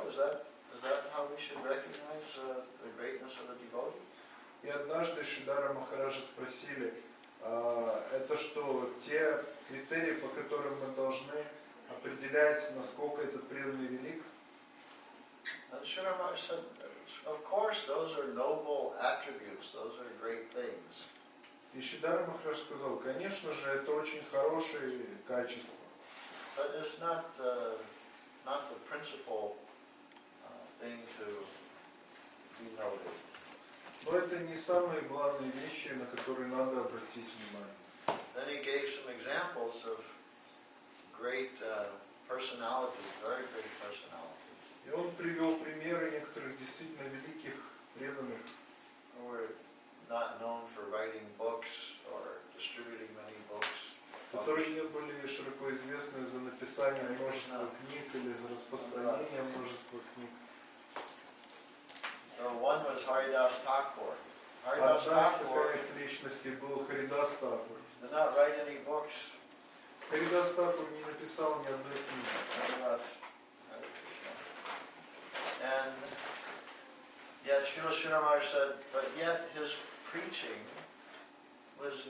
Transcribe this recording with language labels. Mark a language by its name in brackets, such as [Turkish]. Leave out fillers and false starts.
[English] Is that how we should recognize the greatness of a devotee? [Russian] И однажды Шридхара Махараджа спросили, это что, те критерии, по которым мы должны определять, насколько этот преданный велик? [English] And Shri Ramaj said, of course, those are noble attributes, those are great things. [Russian] И Шридхара Махарадж сказал, конечно же, это очень хорошие качества. [English] But it's not the principal thing to be noted. [Russian] Но это не самые главные вещи, на которые надо обратить внимание. [English] Then he gave some examples of great personalities, very great personalities. [Russian] И он привел примеры некоторых действительно великих преданных, [English] who were not known for writing books or distributing many books. [Russian] Которые не были широко известны за написание множества книг или за распространение множества книг. [English] One was Haridas Thakur. Haridas Thakur. [Russian] Одна из личностей был Харидас Такур. [English] Did not write any books. [Russian] Харидас Такур не написал ни одной книги. [English] And yet Srila Srinivas said, but yet his preaching was